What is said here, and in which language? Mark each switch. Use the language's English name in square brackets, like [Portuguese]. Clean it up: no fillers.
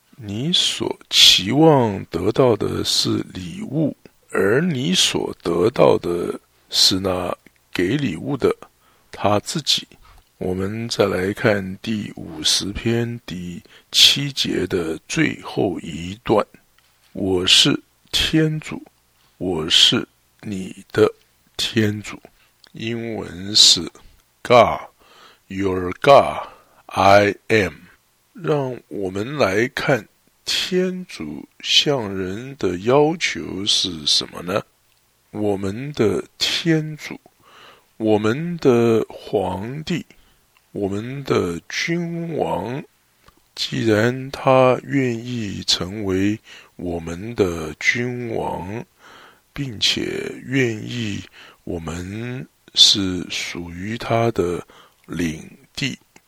[Chinese] 你所期望得到的是礼物，而你所得到的是那给礼物的他自己。我们再来看第50篇第7节的最后一段，我是天主，我是你的天主。英文是 [English] God, your God, I am。 [Chinese] 让我们来看天主向人的要求是什么呢？我们的天主，我们的皇帝，我们的君王，既然他愿意成为我们的君王，并且愿意我们是属于他的领地，